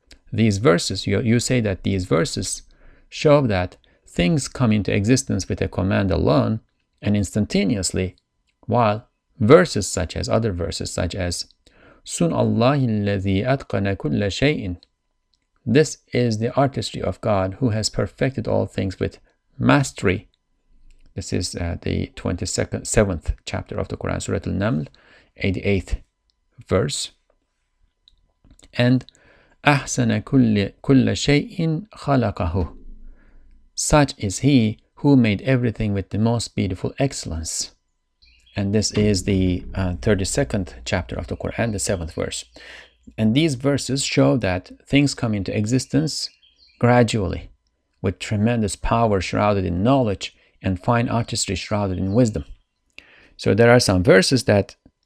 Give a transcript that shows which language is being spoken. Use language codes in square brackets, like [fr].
[en] These verses, you say that these verses show that things come into existence with a command alone and instantaneously, while verses such as other verses such as Sun Allahi [ar] الَّذِي أَتْقَنَ كُلَّ شَيْءٍ. [en] This is the artistry of God who has perfected all things with mastery. This is the 27th chapter of the Quran, Surah Al-Naml, 88th verse. [ar] And أَحْسَنَ كُلَّ شَيْءٍ خَلَقَهُ. [en] Such is he who made everything with the most beautiful excellence. And this is the 32nd chapter of the Quran, the 7th verse. And these verses show that things come into existence gradually, with tremendous power shrouded in knowledge, and fine artistry shrouded in wisdom. So there are some verses that